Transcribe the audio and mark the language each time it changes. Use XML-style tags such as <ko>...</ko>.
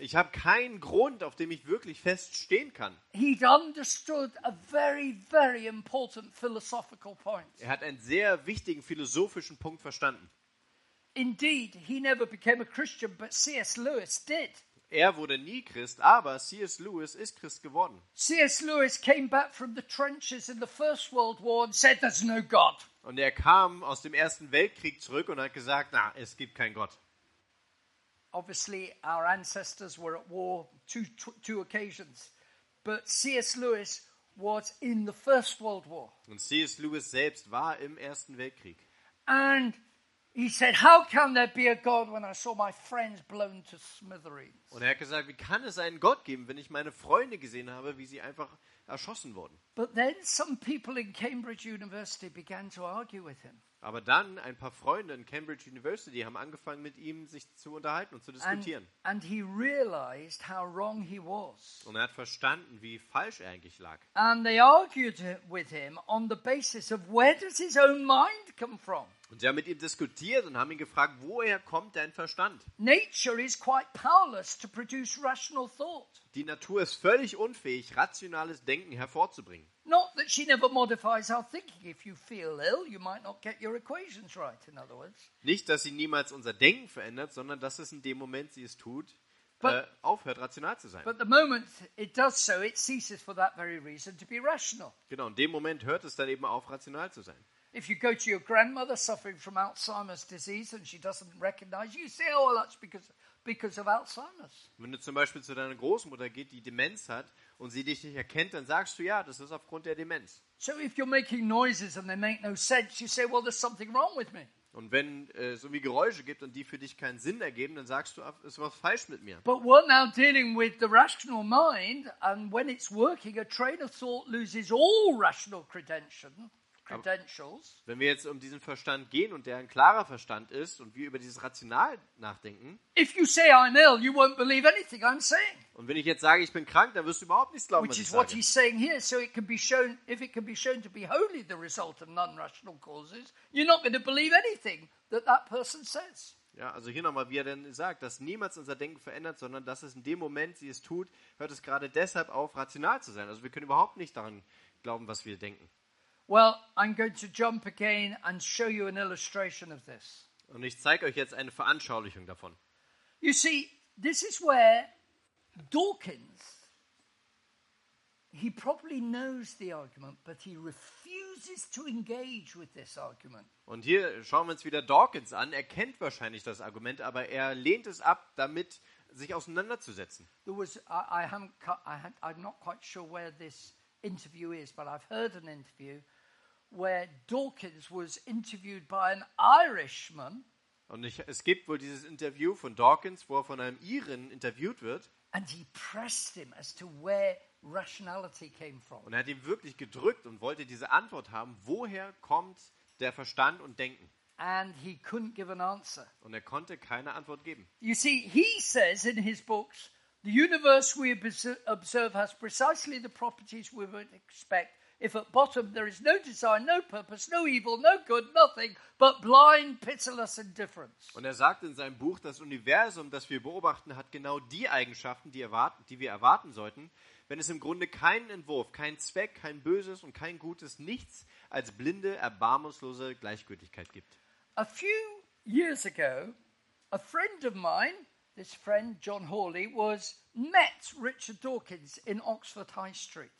<de>Ich habe keinen Grund, auf dem ich wirklich fest stehen kann.</de> <en>He'd understood a very, very important philosophical point.</en> <de>Er hat einen sehr wichtigen philosophischen Punkt verstanden.</de> <en>Indeed, he never became a Christian, but C.S. Lewis did.</en> <de>Er wurde nie Christ, aber C.S. Lewis ist Christ geworden.</de> <en>C.S. Lewis came back from the trenches in the First World War and said, "There's no God."</en> <de>Und er kam aus dem Ersten Weltkrieg zurück und hat gesagt, na, es gibt keinen Gott.</de> <en>Obviously, our ancestors were at war two occasions, but C.S. Lewis was in the First World War.</en> <de>Und C.S. Lewis selbst war im Ersten Weltkrieg.</de> <en>And he said, "How can there be a God when I saw my friends blown to smithereens?"</en> <de>Und er hat gesagt, wie kann es einen Gott geben, wenn ich meine Freunde gesehen habe, wie sie einfach erschossen wurden?</de> <en>But then some people in Cambridge University began to argue with him.</en> <de>Aber dann ein paar Freunde in Cambridge University haben angefangen, mit ihm sich zu unterhalten und zu diskutieren.</de> <en>And he realized how wrong he was.</en> <de>Und er hat verstanden, wie falsch er eigentlich lag.</de> <en>And they argued with him on the basis of where does his own mind come from?</en> <de>Und sie haben mit ihm diskutiert und haben ihn gefragt, woher kommt dein Verstand?</de> <en>Nature is quite powerless to produce rational thought.</en> <de>Die Natur ist völlig unfähig, rationales Denken hervorzubringen.</de> <en>Not that she never modifies our thinking. If you feel ill, you might not get your equations right, in other words.</en> <de>Nicht, dass sie niemals unser Denken verändert, sondern dass es in dem Moment, sie es tut, aufhört, rational zu sein.</de> <en>But the moment it does so, it ceases for that very reason to be rational.</en> <de>Genau, in dem Moment hört es dann eben auf, rational zu sein.</de> <en>If you go to your grandmother suffering from Alzheimer's disease and she doesn't recognize you, say, "Oh, well, that's because of Alzheimer's."</en> <de>Wenn du zum Beispiel zu deiner Großmutter gehst, die Demenz hat, und sie dich nicht erkennt, dann sagst du, ja, das ist aufgrund der Demenz.</de> <en>So if you're making noises and they make no sense, you say, "Well, there's something wrong with me."</en> <de>Und wenn es irgendwie Geräusche gibt und die für dich keinen Sinn ergeben, dann sagst du, es ist was falsch mit mir.</de> <en>But we're now dealing with the rational mind, and when it's working, a train of thought loses all rational credentials.</en> <de>Aber wenn wir jetzt um diesen Verstand gehen und der ein klarer Verstand ist und wir über dieses Rational nachdenken.</de> <en>If you say I'm ill, you won't believe anything I'm saying.</en> <de>Und wenn ich jetzt sage, ich bin krank, dann wirst du überhaupt nichts glauben, was ich sage.</de> <en>Which is what he's saying here, so it can be shown, if it can be shown to be wholly the result of non-rational causes, you're not going to believe anything that that person says.</en> <de>Ja, also hier nochmal, wie er denn sagt, dass niemals unser Denken verändert, sondern dass es in dem Moment, sie es tut, hört es gerade deshalb auf, rational zu sein. Also wir können überhaupt nicht daran glauben, was wir denken.</de> <en>Well, I'm going to jump again and show you an illustration of this.</en> <de>Und ich zeige euch jetzt eine Veranschaulichung davon.</de> <en>You see, this is where Dawkins, he probably knows the argument, but he refuses to engage with this argument.</en> <de>Und hier schauen wir uns wieder Dawkins an. Er kennt wahrscheinlich das Argument, aber er lehnt es ab, damit sich auseinanderzusetzen.</de> <en>There was, I'm not quite sure where this interview is, but I've heard an interview where Dawkins was interviewed by an Irishman.</en> <de>Und es gibt wohl dieses Interview von Dawkins, wo er von einem Iren interviewt wird.</de> <en>And he pressed him as to where rationality came from.</en> <de>Und er hat ihn wirklich gedrückt und wollte diese Antwort haben, woher kommt der Verstand und Denken?</de> <en>And he couldn't give an answer.</en> <de>Und er konnte keine Antwort geben.</de> <en>You see, he says in his books, the universe we observe has precisely the properties we would expect if at bottom there is no design, no purpose, no evil, no good, nothing but blind, pitiless indifference.</en> <de>Und er sagt in seinem Buch, das Universum, das wir beobachten, hat genau die Eigenschaften, die wir erwarten sollten, wenn es im Grunde keinen Entwurf, keinen Zweck, kein Böses und kein Gutes, nichts als blinde, erbarmungslose Gleichgültigkeit gibt.</de> <en>A few years ago, a friend of mine, this friend John Hawley, was met Richard Dawkins in Oxford High Street.</en>